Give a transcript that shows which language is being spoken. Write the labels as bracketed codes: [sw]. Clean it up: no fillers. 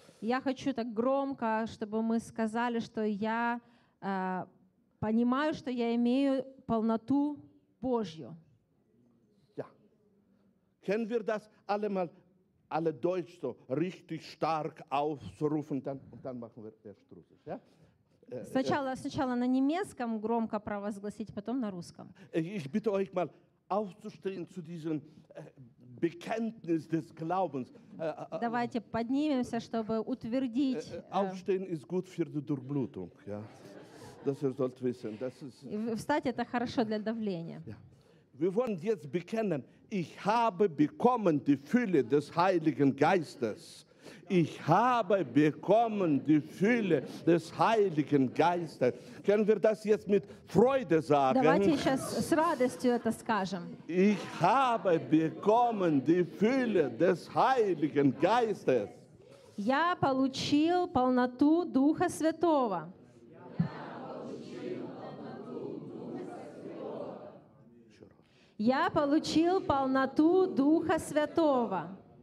[ru] Я хочу так громко, чтобы мы сказали, что я понимаю, что я имею полноту Божью. [de] Ja. Können wir das alle mal alle Deutsch so richtig stark aufrufen, dann, und dann machen wir erst Russisch, ja? [ru] Сначала на немецком громко провозгласить, потом на русском. [de] Ich bitte euch mal aufzustehen zu diesem Bekenntnis des Glaubens. [ru] Давайте поднимемся, чтобы утвердить. [de] Aufstehen ist gut für die Durchblutung, ja. Das ihr sollt wissen. Das ist. [ru] Встать это хорошо для давления. [de] Wir wollen jetzt bekennen: Ich habe bekommen die Fülle des Heiligen Geistes. Ich habe bekommen die Fülle des Heiligen Geistes. Können wir das jetzt mit Freude sagen? [ru] Давайте сейчас с радостью это скажем. [de] Ich habe bekommen die Fülle des Heiligen Geistes. [ru] Я получил полноту Духа Святого. Я получил полноту Духа Святого.